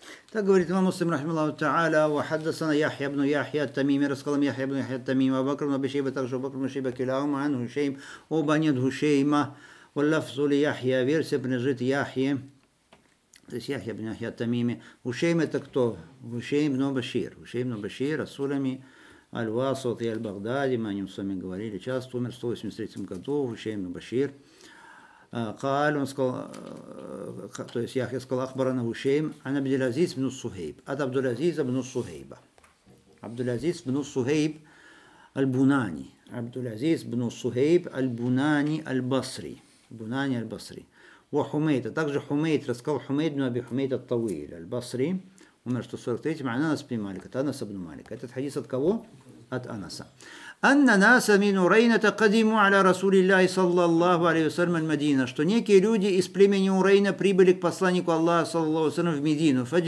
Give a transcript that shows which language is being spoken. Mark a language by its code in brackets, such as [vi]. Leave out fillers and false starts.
[ru] Так говорит имам Муслим, рахмаллаху та'аля, [ar] وحدثنا يحيى بن يحيى التميمي, [ru] рассказал мне يحيى بن يحيى التميمي, وبكر بن أبي شيبة, также وبكر بن شيبة, [ar] كلاهما عن هشيم, [ru] оба они от Гушейма, [ar] واللفظ ليحيى, [ru] версия принадлежит Яхье, то есть يحيى بن يحيى التميمي, Гушейм это кто? Гушейм бн Башир, Гушейм бн Башир, Расулами, Аль-Васот и Аль-Багдади, мы о нем с вами говорили, часто умер в 183 году, Гушейм бн Башир, قال он сказал, то есть Яхья сказал, Ахбарана Гушейм, ан Абдул-Азиз бн Сухейб, от Абдул-Азиза бн Сухейба. Абдул-Азиз бн Сухейб аль-Бунани. Абдул-Азиз бн Сухейб аль-Бунани аль-Басри. Бунани аль-Басри. Ва Хумейд, а также Хумейд рассказал Хумейд бн Аби Хумейд ат-Тауиль аль-Басри, умер 143-м, ан Анас бн Малик, от Анаса бн Малика. Этот хадис от кого? От Анаса. [ar] أن ناس من عرينة قدموا على رسول الله صلى الله عليه وسلم المدينة. [ru] Что некие люди из племени عرينة прибыли к посланнику Аллаха [ar] صلى الله عليه وسلم [ru] в Медину.